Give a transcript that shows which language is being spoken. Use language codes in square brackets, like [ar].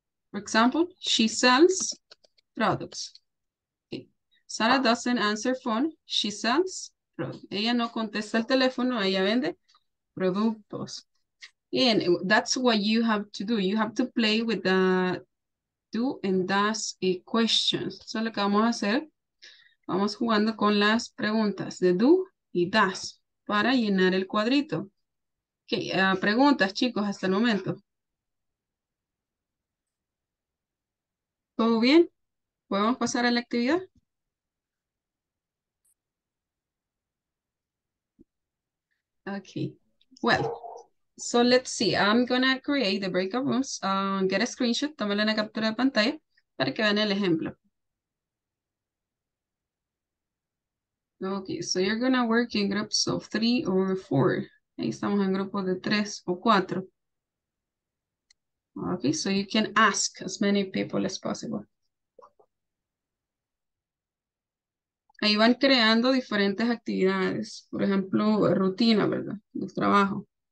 [en] For example, she sells products. Sara doesn't answer phone, she sells products. [es] Ella no contesta el teléfono, ella vende productos. [en] And that's what you have to do. You have to play with the do and does questions. [es] Eso es lo que vamos a hacer. Vamos jugando con las preguntas de do y does para llenar el cuadrito. Okay, preguntas, chicos, hasta el momento. ¿Todo bien? ¿Podemos pasar a la actividad? [en] Okay. Well, so let's see. I'm going to create the breakout rooms. Get a screenshot. [es] Tómale una captura de pantalla para que vean el ejemplo. [en] Okay, so you're going to work in groups of 3 or 4. [es] Ahí estamos en grupos de 3 o 4. [en] Okay, so you can ask as many people as possible. [es] Ahí van creando diferentes actividades, por ejemplo, rutina, ¿verdad? De trabajo.